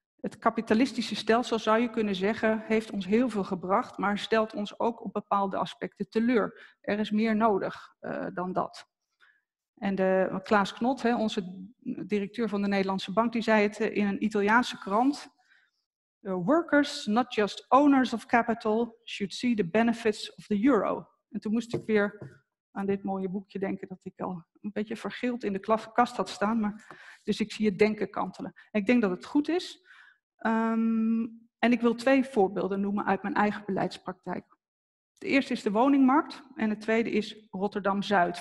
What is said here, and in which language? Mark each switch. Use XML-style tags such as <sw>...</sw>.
<nl>Het kapitalistische stelsel, zou je kunnen zeggen, heeft ons heel veel gebracht, maar stelt ons ook op bepaalde aspecten teleur. Er is meer nodig dan dat. En Klaas Knot, onze directeur van de Nederlandse Bank, die zei het in een Italiaanse krant.</nl> <en>Workers, not just owners of capital, should see the benefits of the euro.</en> <nl>En toen moest ik weer aan dit mooie boekje denken dat ik al een beetje vergeeld in de kast had staan. Maar, dus ik zie het denken kantelen. En ik denk dat het goed is. En ik wil twee voorbeelden noemen uit mijn eigen beleidspraktijk. De eerste is de woningmarkt en de tweede is Rotterdam-Zuid.</nl>